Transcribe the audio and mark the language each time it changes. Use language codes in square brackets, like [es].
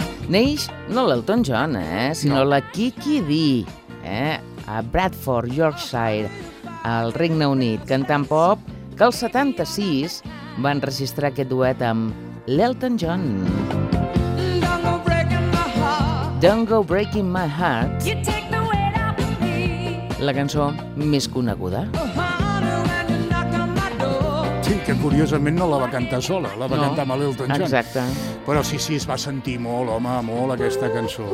[ca] Neix no l'Elton John, sinó la Kiki Dee, a Bradford, Yorkshire, al Regne Unit, cantant pop, que el 76 van registrar aquest duet amb l'Elton John. [en] Don't go breaking my heart. Don't go breaking my heart. You take the weight off of me. [ca] La cançó més coneguda. Sí, que curiosament no la va cantar sola, la va cantar amb l'Elton John. Exacte. Però sí, sí, es va sentir molt, home, molt aquesta cançó.